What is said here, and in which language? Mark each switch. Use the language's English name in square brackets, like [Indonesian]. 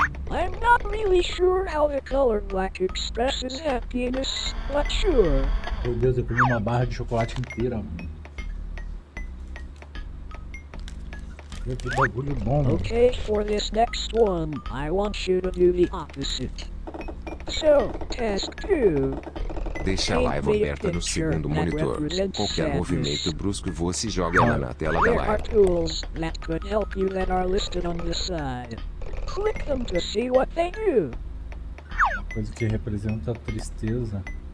[English] I'm not really sure how the color black expresses happiness, but sure. [Portuguese] Meu Deus, eu comi uma barra de chocolate inteira, mano. Que bagulho bom, mano. [English] Okay, for this next one, I want you to do the opposite. So, task 2. [Portuguese] Deixa a live aberta no segundo monitor. Qualquer movimento brusco você joga ela na tela da live. [English] There are tools that could help you that are listed on the side. Click them to see what they do. [Portuguese] Coisa que representa a tristeza.